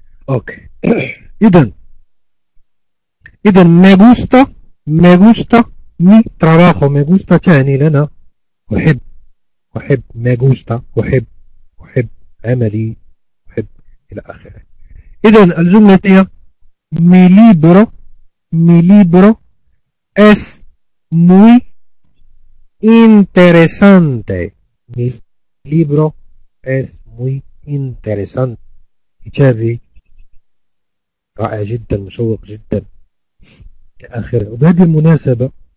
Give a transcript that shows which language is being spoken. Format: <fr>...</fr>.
<ar>اوكي اذا ما جوستا مي تراباخو، ما جوستا تعني لنا احب، احب ما جوستا، احب احب عملي احب الى اخره. اذا الجمله هي</ar> <es>مي ليبرو اس muy interesante. Mi libro es muy interesante.</es> <ar>كتابي رائع جدا، مشوق جدا إلى آخره.</ar>